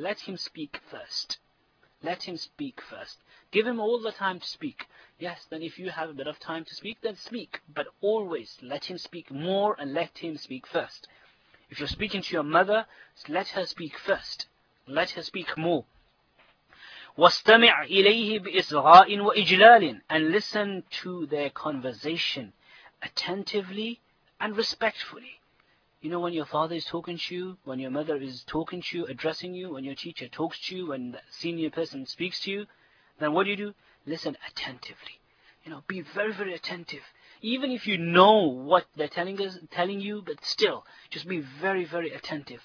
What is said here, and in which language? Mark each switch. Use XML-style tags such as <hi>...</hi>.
<en>Let him speak first. Let him speak first. Give him all the time to speak. Yes, then if you have a bit of time to speak, then speak. But always let him speak more and let him speak first. If you're speaking to your mother, let her speak first. Let her speak more.</en> <ar>واستمع إليه بإصغاء وإجلال.</ar> <en>And listen to their conversation attentively and respectfully. You know, when your father is talking to you, when your mother is talking to you, addressing you, when your teacher talks to you, when the senior person speaks to you, then what do? Listen attentively. You know, be very, very attentive. Even if you know what they're telling you, but still, just be very, very attentive.</en>